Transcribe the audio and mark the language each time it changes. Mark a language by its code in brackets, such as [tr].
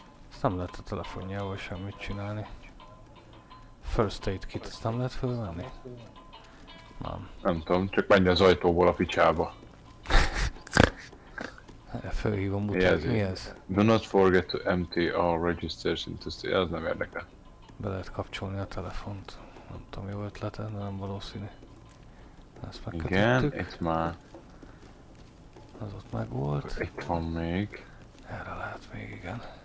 [hu] Ezt nem lehet a telefonjával semmit csinálni. [en] First aid kit, [hu] ezt nem lehet felvenni? Nem tudom, csak menj az ajtóból a picsába. Felhívom, mutat, mi ez? [en] Do not forget to empty our registers into state. [hu] Ez nem érdekel. Be lehet kapcsolni a telefont. Nem tudom, jó ötlete, de nem valószínű. Ezt megkötöttük. Igen, itt már. Az ott meg volt. Itt van még. Erre lehet még, igen.